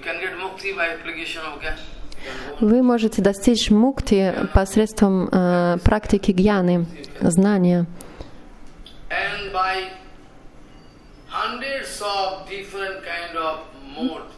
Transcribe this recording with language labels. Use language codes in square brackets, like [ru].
[en] You can get мукти by application of гьяна. [ru] Вы можете достичь мукти посредством практики гьяны, знания. [en] And by hundreds of different kind of mode.